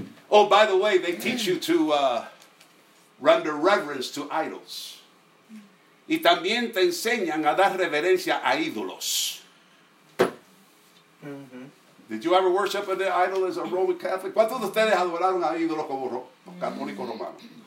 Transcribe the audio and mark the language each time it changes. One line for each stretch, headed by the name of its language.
English: Oh, by the way, they teach you to render reverence to idols.
Spanish: Y también te enseñan a dar reverencia a ídolos.
English: Did you ever worship an idol as a Roman Catholic?
Spanish: ¿Cuántos de ustedes adoraron a ídolos como católicos romanos?